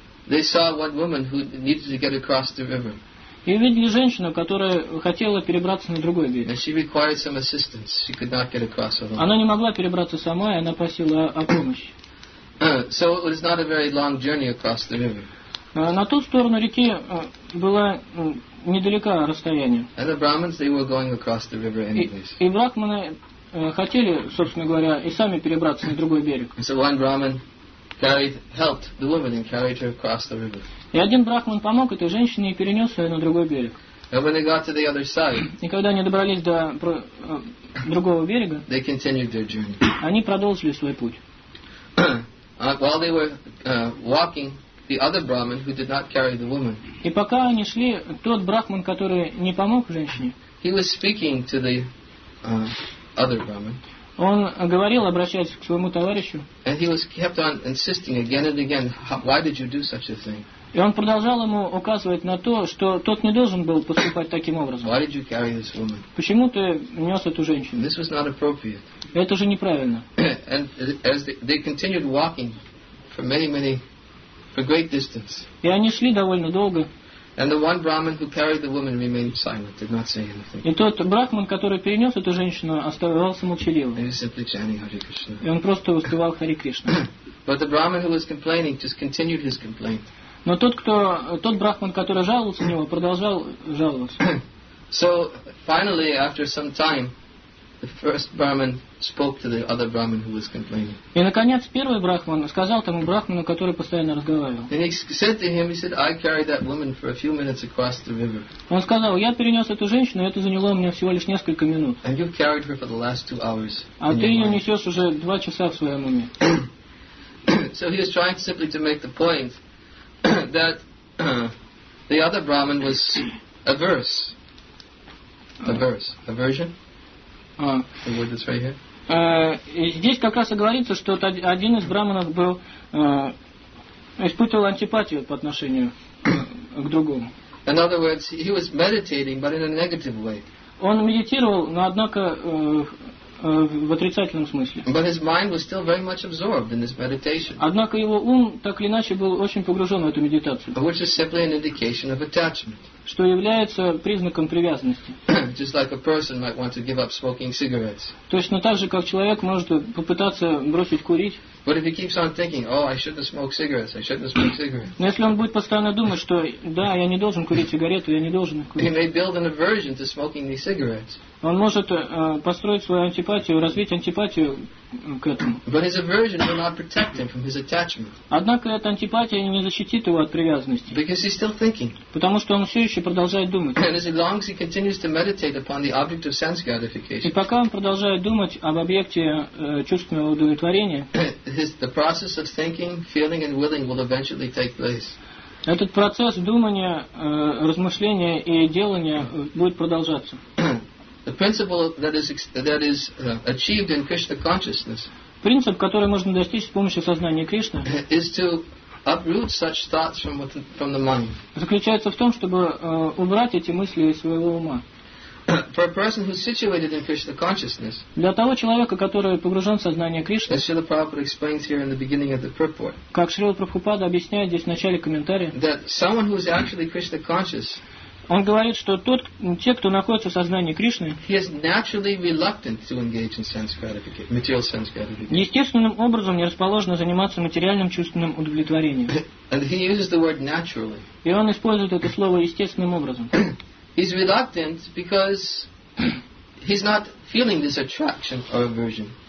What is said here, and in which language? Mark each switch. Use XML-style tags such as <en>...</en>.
<en>They saw one woman who needed to get across the river.</en> <ru>И увидели женщину, которая хотела перебраться на другой берег.</ru> <en>And she required some assistance. She could not get across alone.</en> <ru>Она не могла перебраться сама, и она просила о помощи.</ru> <en>So it was not a very long journey across the river.</en> <ru>На ту сторону реки было недалеко расстояние.</ru> <en>And the Brahmins, they were going across the river anyways.</en> <ru>И брахманы хотели, собственно говоря, и сами перебраться на другой берег.</ru> <en>And so one Brahmin helped the woman and carried her across the river.</en> <ru>И один брахман помог этой женщине и перенес ее на другой берег.</ru> <en>And when they got to the other side,</en> <ru>и когда они добрались до другого берега,</ru> <en>they continued their journey.</en> <ru>Они продолжили свой путь.</ru> <en>While they were walking, the other brahman who did not carry the woman.</en> <ru>И пока они шли, тот брахман, который не помог женщине,</ru> <en>he was speaking to the other brahman.</en> <ru>Он говорил, обращаясь к своему товарищу.</ru> <en>And he was kept on insisting again and again, why did you do such a thing?</en> <ru>И он продолжал ему указывать на то, что тот не должен был поступать таким образом.</ru> <en>Why did you carry this woman?</en> <ru>Почему ты нес эту женщину?</ru> <en>This was not appropriate.</en> <ru>Это же неправильно.</ru> <en>And as they continued walking for many, many, for great distance.</en> <ru>И они шли довольно долго.</ru> <en>And the one Brahmin who carried the woman remained silent, did not say anything.</en> <ru>И тот брахман, который перенес эту женщину, оставался молчаливым.</ru> <en>He was simply chanting Hare Krishna.</en> <ru>И он просто воспевал Хари Кришну.</ru> <en>But the Brahmin who was complaining just continued his complaint.</en> <ru>Но тот брахман, который жаловался на него, продолжал жаловаться.</ru> <en>So finally, after some time, The first Brahmin spoke to the other Brahmin who was complaining.</en> <ru>И наконец первый брахман сказал тому брахману, который постоянно разговаривал.</ru> <en>And he said to him, he said, I carried that woman for a few minutes across the river.</en> <ru>Он сказал, я перенес эту женщину, это заняло у меня всего лишь несколько минут.</ru> <en>And you carried her for the last 2 hours.</en> <ru>А ты ее несешь уже 2 часа в своем уме.</ru> <en>So he was trying simply to make the point that the other Brahmin was averse. Averse. Aversion? The word that's right here.</en> <ru>Здесь как раз и говорится, что один из брахманов был испытывал антипатию по отношению к другому.</ru> <en>In other words, he was meditating, but in a negative way.</en> <ru>Он медитировал, но однако в отрицательном смысле.</ru> <en>But his mind was still very much absorbed in this meditation.</en> <ru>Однако его ум так или иначе был очень погружен в эту медитацию.</ru> <en>Which is simply an indication of attachment.</en> <ru>Что является признаком привязанности.</ru> <en>Just like a person might want to give up smoking cigarettes.</en> <ru>Точно так же, как человек может попытаться бросить курить.</ru> <en>But if he keeps on thinking, oh, I shouldn't smoke cigarettes, I shouldn't smoke cigarettes.</en> <ru>Но если он будет постоянно думать, что да, я не должен курить сигарету, я не должен курить.</ru> <en>He may build an aversion to smoking these cigarettes.</en> <ru>Он может построить свою антипатию, развить антипатию к этому.</ru> <en>But his aversion will not protect him from his attachment.</en> <ru>Однако эта антипатия не защитит его от привязанности.</ru> <en>Because he's still thinking.</en> <ru>Потому что он все еще продолжает думать.</ru> <en>And as long as he continues to meditate upon the object of sense gratification.</en> <ru>И пока он продолжает думать об объекте чувственного удовлетворения.</ru> <en>The process of thinking, feeling, and willing will eventually take place.</en> <ru>Этот процесс думания, размышления и делания будет продолжаться.</ru> <en>The principle that is achieved in Krishna consciousness.</en> <ru>Принцип, который можно достичь с помощью сознания Кришны,</ru> <en>is to uproot such thoughts from the mind.</en> <ru>Заключается в том, чтобы убрать эти мысли из своего ума.</ru> <en>For a person who's situated in Krishna consciousness.</en> <ru>Для того человека, который погружен в сознание Кришны.</ru> <en>As Srila Prabhupada explains here in the beginning of the purport.</en> <ru>Как Шрила Прабхупада объясняет здесь в начале комментария.</ru> <en>That someone who is actually Krishna conscious.</en> <ru>Он говорит, что те, кто находится в сознании Кришны.</ru> <en>He is naturally reluctant to engage in sense gratification, material sense gratification.</en> <ru>Естественным образом не расположено заниматься материальным чувственным удовлетворением.</ru> <en>And he uses the word naturally.</en> <ru>И он использует это слово естественным образом.</ru> <en>He's reluctant because he's not feeling this attraction or aversion.</en>